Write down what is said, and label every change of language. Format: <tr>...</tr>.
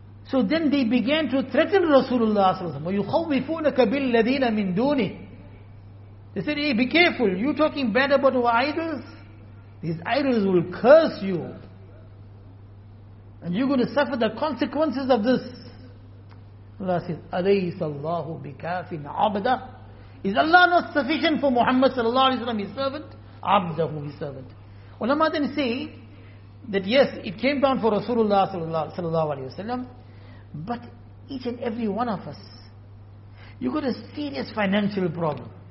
<en>So then they began to threaten Rasulullah sallallahu alaihi wasallam.</en> <ar>وَيُخَوِّفُونَكَ بِالَّذِينَ مِنْ دُونِهِ.</ar> <en>They said, hey, be careful. You talking bad about our idols? These idols will curse you. And you're going to suffer the consequences of this.</en> <ar>Allah says, أَلَيْسَ اللَّهُ بِكَافٍ عَبْدًا.</ar> <en>Is Allah not sufficient for Muhammad sallallahu alaihi wasallam, His servant? عَبْدَهُ, His servant. Ulama then say that yes, it came down for Rasulullah sallallahu alaihi wasallam. But each and every one of us, you got a serious financial problem.</en>